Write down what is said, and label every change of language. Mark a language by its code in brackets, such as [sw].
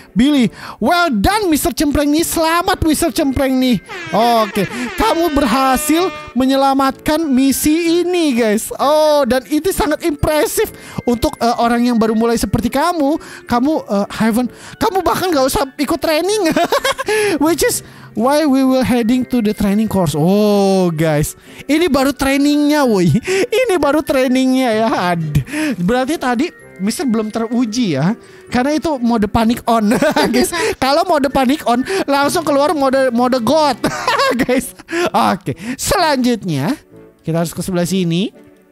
[id] Billy, [en] well done [id] Mr. Cempreng nih. Selamat Mr. Cempreng nih. Oke, kamu berhasil menyelamatkan misi ini guys. Oh, dan itu sangat impresif. Untuk orang yang baru mulai seperti kamu. Kamu, Heaven, kamu bahkan gak usah ikut training. [en] Which is why we will heading to the training course. [id] Oh guys, ini baru trainingnya woy. Ini baru trainingnya ya. Berarti tadi Mister belum teruji ya. Karena itu mode panic on. Guys, kalau mode panic on langsung keluar mode god. Guys. Oke, selanjutnya kita harus ke sebelah sini.